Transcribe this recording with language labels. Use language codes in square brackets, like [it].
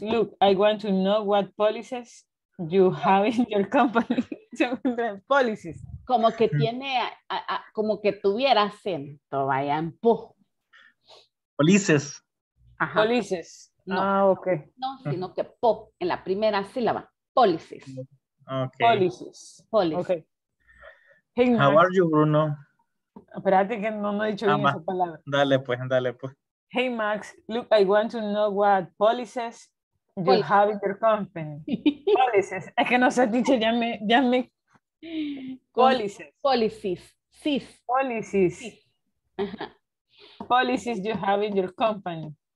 [en] Look, I want to know what policies you have in your company. Policies. [es] Como que tiene, como que tuviera acento, vaya, empujo. [en] Polices. Ajá. Polices. No. Ah, ok. [es] No, sino que po, en la primera sílaba. [en] Policies. Ok. Policies. Policies. Ok. Hey, how are you, Bruno? [es] Espérate que no, no he dicho bien esa palabra. Dale pues, dale pues. [en] Hey, Max, look, I want to know what policies you have in your company. [es] Policies. Es que no sé, teacher, ya me... [en] Policies. Policies you have in your company.